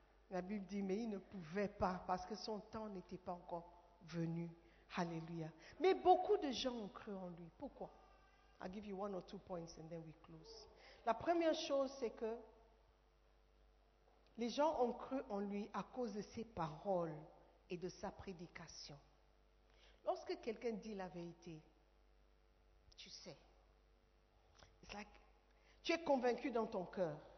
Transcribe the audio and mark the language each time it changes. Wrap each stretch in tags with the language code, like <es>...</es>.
<fr>La Bible dit, mais il ne pouvait pas parce que son temps n'était pas encore venu. Alléluia. Mais beaucoup de gens ont cru en lui. Pourquoi?</fr> <en>I'll give you one or two points and then we close.</en> <fr>La première chose, c'est que les gens ont cru en lui à cause de ses paroles et de sa prédication. Lorsque quelqu'un dit la vérité, tu sais,</fr> <en>it's like,</en> <fr>tu es convaincu dans ton cœur.</fr>